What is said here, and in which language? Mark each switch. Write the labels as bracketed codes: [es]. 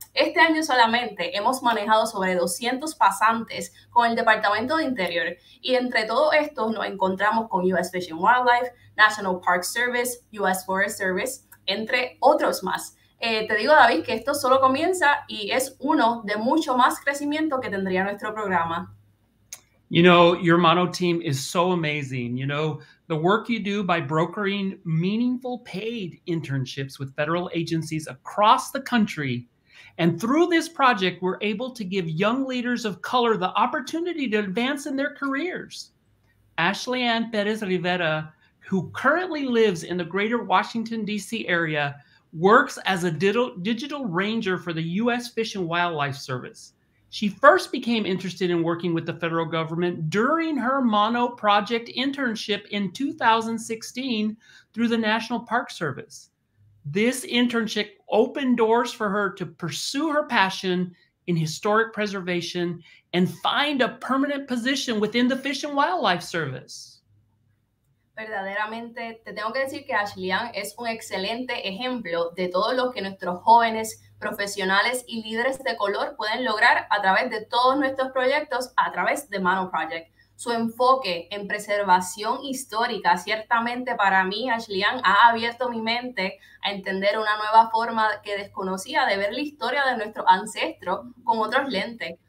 [es] Este año solamente hemos manejado sobre 200 pasantes con el Departamento de Interior, y entre todos estos nos encontramos con U.S. Fish and Wildlife, National Park Service, U.S. Forest Service, entre otros más. Te digo, David, que esto solo comienza y es uno de mucho más crecimiento que tendría nuestro programa. [en] You know, your Mano team is so amazing. You know, the work you do by brokering meaningful paid internships with federal agencies across the country. And through this project, we're able to give young leaders of color the opportunity to advance in their careers. Ashley Ann Perez Rivera, who currently lives in the greater Washington, D.C. area, works as a digital ranger for the U.S. Fish and Wildlife Service. She first became interested in working with the federal government during her Mano Project internship in 2016 through the National Park Service. This internship opened doors for her to pursue her passion in historic preservation and find a permanent position within the Fish and Wildlife Service. [es] Verdaderamente, te tengo que decir que Ashley Ann es un excelente ejemplo de todo lo que nuestros jóvenes, profesionales y líderes de color pueden lograr a través de todos nuestros proyectos a través de Mano Project. Su enfoque en preservación histórica, ciertamente para mí, Ashley Ann, ha abierto mi mente a entender una nueva forma que desconocía de ver la historia de nuestros ancestros con otros lentes.